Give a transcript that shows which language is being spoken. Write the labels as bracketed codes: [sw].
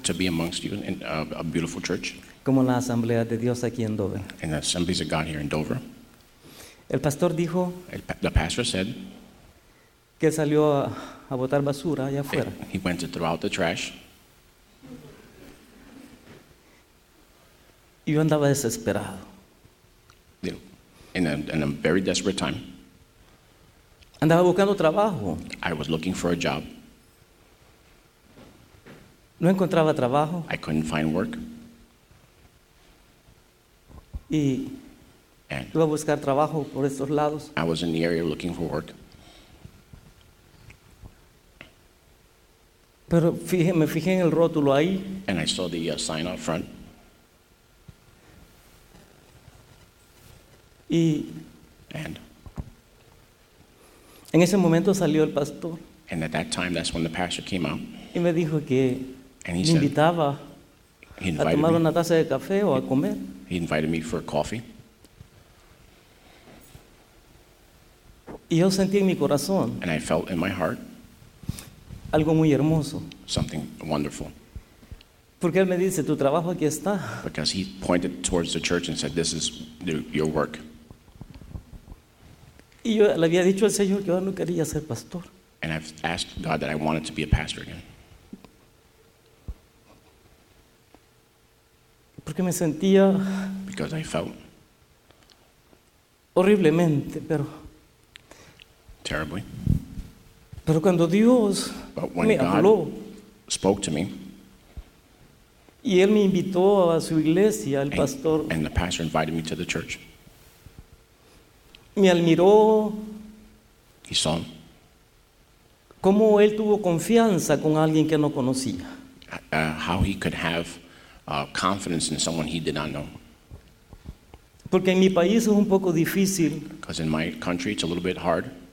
[en] To be amongst you in a beautiful church. [es] Como la Asamblea de Dios aquí en Dover. [en] And the Assemblies of God here in Dover. [es] El pastor dijo. [en] The pastor said. [es] Que salió a botar basura allá afuera. [en] He went to throw out the trash. [es] Yo andaba desesperado. [en] In a very desperate time. [es] Andaba buscando trabajo. [en] I was looking for a job. [es] No encontraba trabajo. [en] I couldn't find work. [es] Y iba a buscar trabajo por estos lados. [en] I was in the area looking for work. [es] Pero me fijé en el rótulo ahí. [en] And I saw the sign out front. [es] Y [en] and [es] en ese momento salió el pastor. [en] And at that time, that's when the pastor came out. [es] Y me dijo que [en] and he [es] me [en] said, [es] invitaba [en] he invited [es] a tomar [en] me [es] una taza de café o a comer. [en] He invited me for coffee. [es] Y yo sentí en mi corazón [en] and I felt in my heart [es] algo muy hermoso. [en] Something wonderful. [es] Porque él me dice, tu trabajo aquí está. [en] Because he pointed towards the church and said, this is your work. [es] Y yo le había dicho al Señor que yo no quería ser pastor. [en] And I've asked God that I wanted to be a pastor again. [es] Porque me sentía [en] because I felt [es] horriblemente, pero [en] terribly. [es] Pero cuando Dios [en] but when [es] me [en] God [es] habló, [en] spoke to me, [es] y él me invitó a su iglesia, el pastor, [en] and the pastor invited me to the church, [es] me admiró. [en] He saw [es] cómo él tuvo confianza con alguien que no conocía. [en] How he could have confidence in someone he did not know. [es] Porque en mi país es un poco difícil. [en] Because in my country it's a little bit hard.